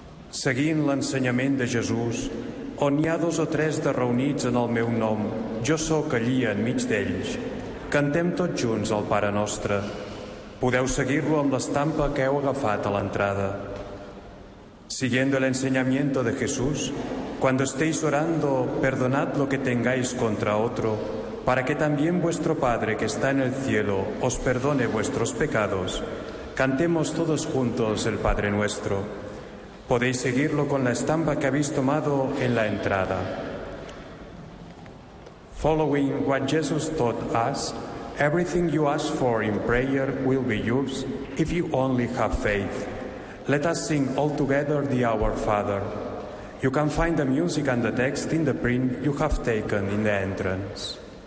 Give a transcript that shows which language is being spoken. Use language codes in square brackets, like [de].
[ca] Seguint l'ensenyament de Jesús, on hi ha dos o tres de reunits en el meu nom, jo sóc allí enmig d'ells, cantem tots junts el Pare Nostre. Podeu seguir-lo amb l'estampa que heu agafat a l'entrada. [es] Siguiendo el enseñamiento de Jesús, cuando estéis orando, perdonad lo que tengáis contra otro, para que también vuestro Padre que está en el cielo os perdone vuestros pecados, cantemos todos juntos el Padre Nuestro. Podéis seguirlo con la estampa que habéis tomado en la entrada. [en] Following what Jesus taught us, everything you ask for in prayer will be yours if you only have faith. Let us sing all together the Our Father. You can find the music and the text in the print you have taken in the entrance.